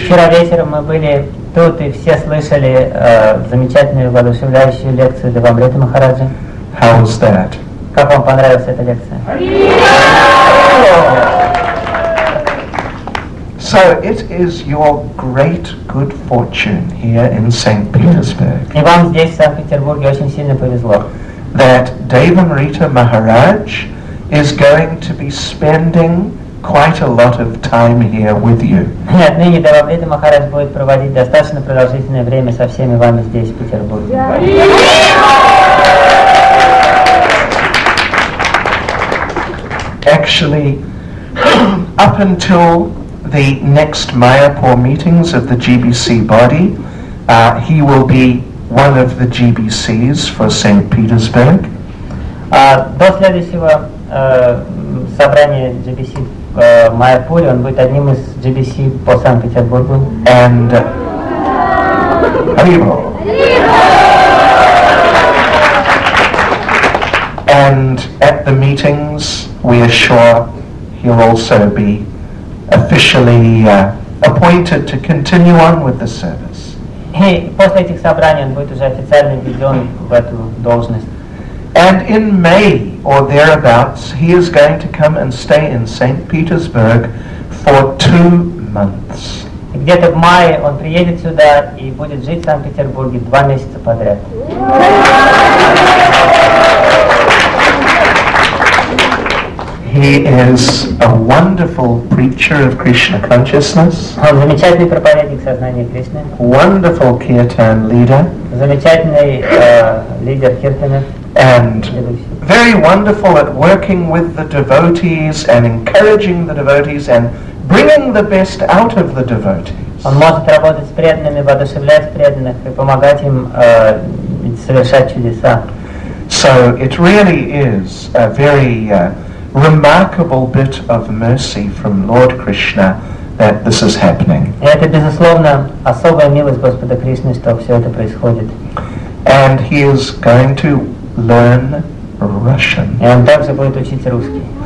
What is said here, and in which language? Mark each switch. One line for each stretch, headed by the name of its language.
Russian: Вчера вечером мы были тут и все слышали замечательную, воодушевляющую лекцию Девамриты Махараджи.
English: How was that?
Russian: Как вам понравилась эта лекция?
English: So it is your great good fortune here in St. Petersburg.
Russian: И вам здесь, в Санкт-Петербурге, очень сильно повезло.
English: That Devamrita Maharaj is going to be spending quite a lot of time here with you.
Russian: Отныне Девамрита Махарадж будет проводить достаточно продолжительное время со всеми вами здесь, в Петербурге.
English: Actually, up until the next Mayapur meetings of the GBC body, he will be one of the GBCs for St. Petersburg.
Russian: До следующего собрания GBC в Майяпуре он будет одним из GBC по Санкт-Петербургу. And Arivo.
English: And at the meetings, we are sure he'll also be officially appointed to continue on with the service.
Russian: Hey, после этих собраний он будет уже официально введен в эту должность.
English: And in May or thereabouts, he is going to come and stay in St. Petersburg for 2 months.
Russian: Где-то в мае он приедет сюда и будет жить в Санкт-Петербурге 2 месяца подряд.
English: He is a wonderful preacher of Krishna consciousness.
Russian: Он замечательный проповедник сознания Кришны.
English: Wonderful kirtan leader.
Russian: Замечательный лидер киртана.
English: And very wonderful at working with the devotees and encouraging the devotees and bringing the best out of the devotees.
Russian: Он может работать с преданными, воодушевлять преданных и помогать им совершать чудеса.
English: So it really is a very remarkable bit of mercy from Lord Krishna that this is happening.
Russian: Это безусловно особая милость Господа Кришны, что все это происходит.
English: And he is going to learn Russian.
Russian: И он также будет учить русский.